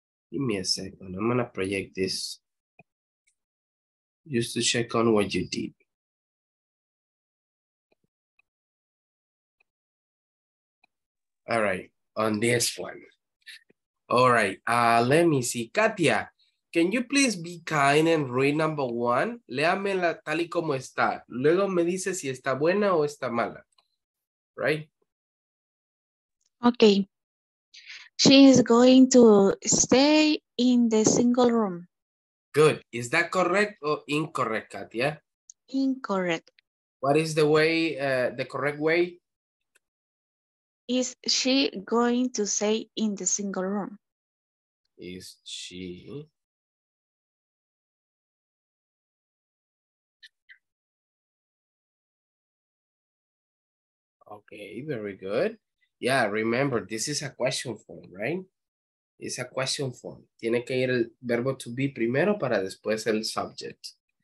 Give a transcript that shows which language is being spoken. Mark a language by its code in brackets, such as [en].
[en] Give me a second, I'm gonna project this. Just to check on what you did. All right, on this one. All right, let me see, Katia. Can you please be kind and read number one? [es] Léamela tal y como está. Luego me dice si está buena o está mala. [en] Right? Okay. She is going to stay in the single room. Good. Is that correct or incorrect, Katia? Incorrect. What is the way, the correct way? Is she going to stay in the single room? Is she... Okay, very good. Yeah, remember, this is a question form, right? It's a question form. [es] Tiene que ir el verbo to be primero para después el subject.